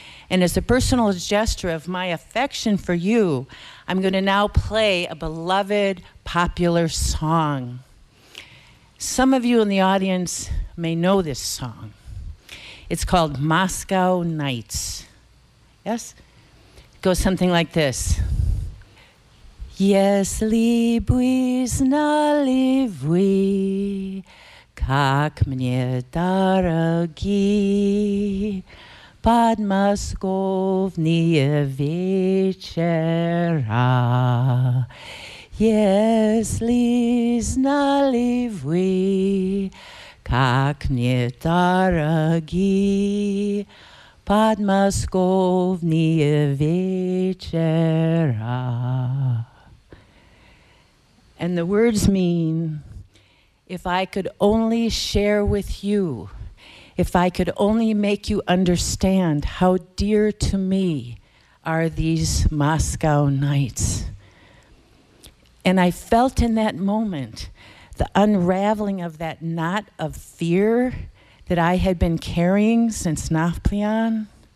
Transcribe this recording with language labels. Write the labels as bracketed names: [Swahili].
[English] And as a personal gesture of my affection for you, I'm going to now play a beloved popular song. Some of you in the audience may know this song. It's called Moscow Nights. Yes? It goes something like this. [Russian] Если бы знали вы, как мне дороги подмосковные вечера. Если знали вы, как мне дороги подмосковные вечера. [English] And the words mean, if I could only share with you, if I could only make you understand how dear to me are these Moscow nights. And I felt in that moment the unraveling of that knot of fear that I had been carrying since Nafplion.